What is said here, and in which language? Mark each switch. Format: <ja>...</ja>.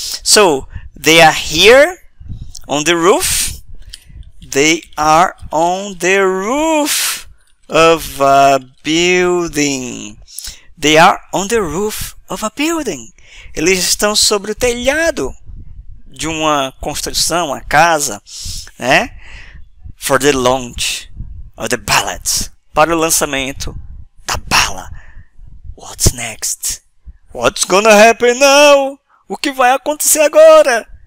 <en>So, they are here on the roof. They are on the roof of a building. They are on the roof of a building.</en> <pt>Eles estão sobre o telhado de uma construção, uma casa, né?</pt> <en>For the launch of the ballot.</en> <pt>Para o lançamento da bala.</pt> <en>What's next? What's gonna happen now?</en> <pt>O que vai acontecer agora?</pt>